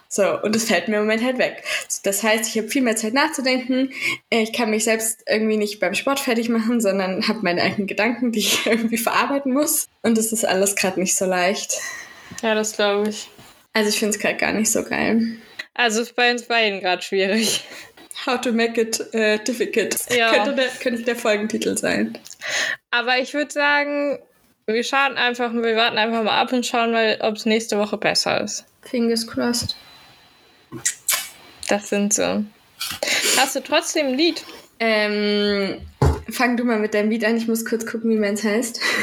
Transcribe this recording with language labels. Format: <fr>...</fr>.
<de>So, und das fällt mir im Moment halt weg. Das heißt, ich habe viel mehr Zeit nachzudenken. Ich kann mich selbst irgendwie nicht beim Sport fertig machen, sondern habe meine eigenen Gedanken, die ich irgendwie verarbeiten muss. Und das ist alles gerade nicht so leicht. Ja, das glaube ich. Also ich finde es gerade gar nicht so geil. Also ist bei uns beiden gerade schwierig.</de> <en>How to make it difficult.</en> <de>Ja. Könnte der Folgentitel sein. Aber ich würde sagen, wir warten einfach mal ab und schauen mal, ob es nächste Woche besser ist.</de> <en>Fingers crossed.</en> <de>Das sind so. Hast du trotzdem ein Lied? Fang du mal mit deinem Lied an. Ich muss kurz gucken, wie meins heißt.</de>